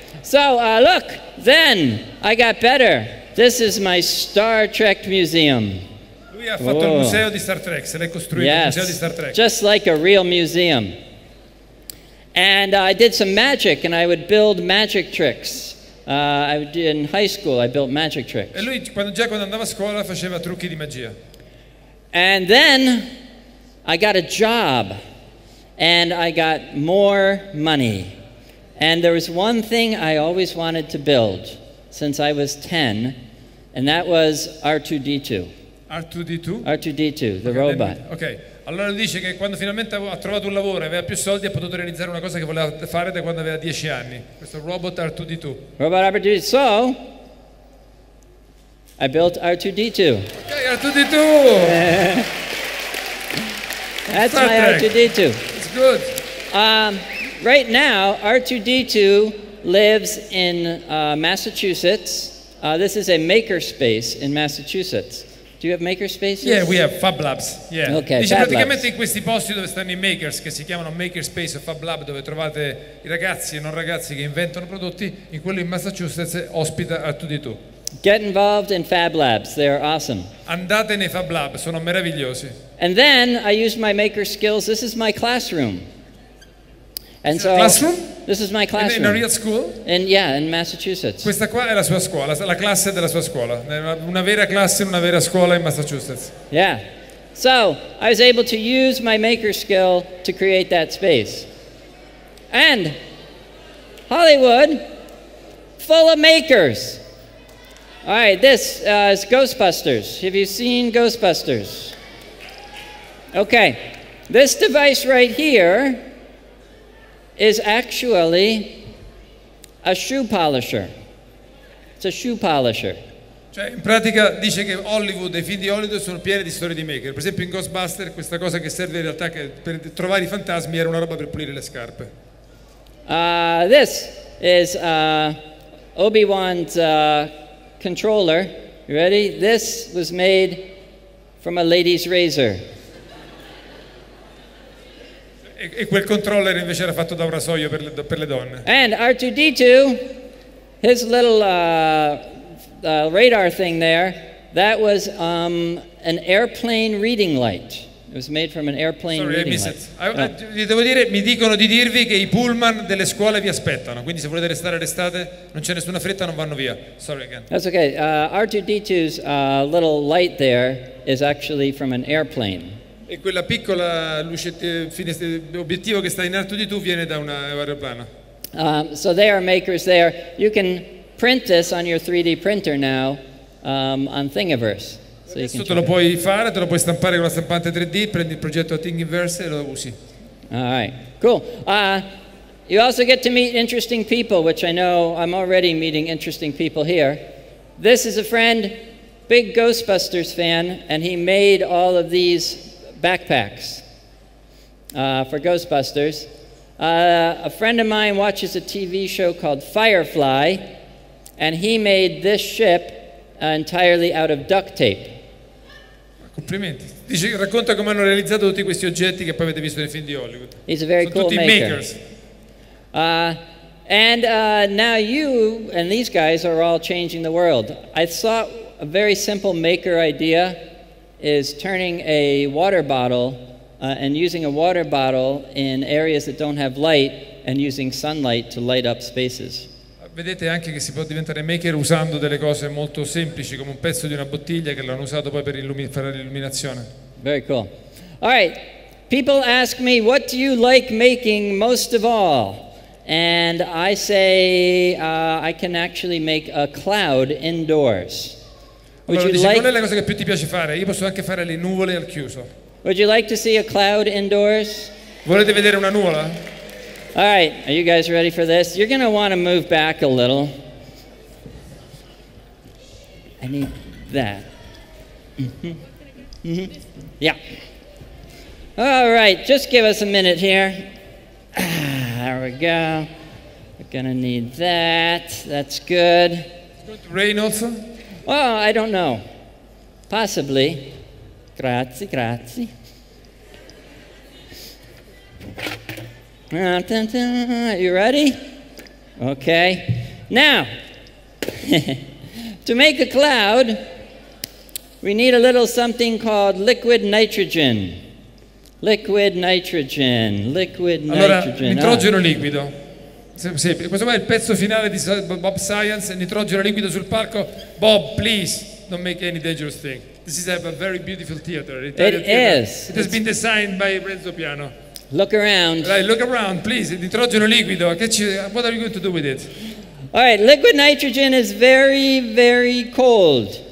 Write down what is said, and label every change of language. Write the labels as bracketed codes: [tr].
[en] So, look, then I got better. This is my Star Trek museum. [it] Lui ha fatto il museo di Star Trek, se l'è costruito, [en] yes, [it] il museo di Star Trek. [en] Just like a real museum. And I did some magic, and I would build magic tricks. In high school, I built magic tricks. [it] E lui, quando andava a scuola, faceva trucchi di magia. [en] And then I got a job, and I got more money. And there was one thing I always wanted to build since I was 10, and that was R2-D2. R2-D2, the robot. Okay. [it] Allora dice che quando finalmente ha trovato un lavoro e aveva più soldi ha potuto realizzare una cosa che voleva fare da quando aveva 10 anni. Questo robot R2-D2. [en] Robot R2-D2. So, I built R2-D2. Okay, R2-D2! That's my R2-D2. It's good. Right now, R2-D2 lives in Massachusetts. This is a makerspace in Massachusetts. Do you have makerspaces? Yeah, we have fab labs. Yeah. Okay, [it] dice [en] fab [it] praticamente [en] labs. [it] In questi posti dove stanno i makers, che si chiamano makerspace o fab lab, dove trovate i ragazzi e non ragazzi che inventano prodotti, in quello in Massachusetts ospita R2-D2. [en] Get involved in fab labs, they are awesome. [it] Andate nei fab lab, sono meravigliosi. [en] And then I use my maker skills. This is my classroom. And so classroom? This is my classroom. In a real school? And yeah, in Massachusetts. [it] Questa qua è la sua scuola, la classe della sua scuola. Una vera classe, una vera scuola in Massachusetts. [en] Yeah. So, I was able to use my maker skill to create that space. And Hollywood, full of makers. All right, this is Ghostbusters. Have you seen Ghostbusters? Okay. This device right here is actually a shoe polisher. It's a shoe polisher. [it] Cioè, in pratica dice che Hollywood, i film di Hollywood sono pieni di storie di maker. Per esempio, in Ghostbusters, questa cosa che serve in realtà per trovare i fantasmi era una roba per pulire le scarpe. [en] This is Obi-Wan's controller. You ready? This was made from a lady's razor. [it] E quel controller invece era fatto da un rasoio per le donne. [en] And R2-D2, his little radar thing there, that was an airplane reading light. It was made from an airplane. Sorry, I missed it. [it] Vi devo dire, mi dicono di dirvi che i pullman delle scuole vi aspettano. Quindi se volete restare restate, non c'è nessuna fretta, non vanno via. [en] Sorry again. That's okay. R2D2's little light there is actually from an airplane. [it] E quella piccola luce obiettivo che sta in R2D2 viene da un aeroplano. [en] So they are makers there. You can print this on your 3D printer now on Thingiverse. So [it] adesso [en] you can [it] lo puoi fare, te lo puoi stampare con la stampante 3D, prendi il progetto a Thingiverse e lo usi. [en] All right, cool. You also get to meet interesting people, which I know I'm already meeting interesting people here. This is a friend, big Ghostbusters fan, and he made all of these backpacks for Ghostbusters. A friend of mine watches a TV show called Firefly, and he made this ship entirely out of duct tape. [it] Complimenti. Dice, racconta come hanno realizzato tutti questi oggetti che poi avete visto nei film di Hollywood. [en] He's a very [it] Sono [en] cool [it] tutti [en] maker. Makers. Now you and these guys are all changing the world. I thought a very simple maker idea is turning a water bottle and using a water bottle in areas that don't have light and using sunlight to light up spaces. Vedete anche che si può diventare maker usando delle cose molto semplici come un pezzo di una bottiglia che l'hanno usato poi per fare l'illuminazione. Very cool. All right. People ask me, what do you like making most of all? And I say, I can actually make a cloud indoors. Allora, dice, qual è la cosa che più ti piace fare? Io posso anche fare le nuvole al chiuso. Would you like to see a cloud indoors? Volete vedere una nuvola? All right, are you guys ready for this? You're going to want to move back a little. I need that. Yeah. All right, just give us a minute here. There we go. We're going to need that. That's good. Is it going to rain also? Well, I don't know. Possibly. [it] Grazie, grazie. [en] Are you ready? Okay. Now, to make a cloud, we need a little something called liquid nitrogen. Liquid nitrogen. Liquid nitrogen. [it] Allora, nitrogeno liquido. Sì, questo qua è il pezzo finale di Bob Science. Nitrogeno liquido sul palco. [en] Bob, please, don't make any dangerous thing. This is a very beautiful theater. It is. It has been designed by Renzo Piano. Look around. Right, look around, please. [it] Nitrogeno liquido. [en] What are you going to do with it? All right, liquid nitrogen is very, very cold.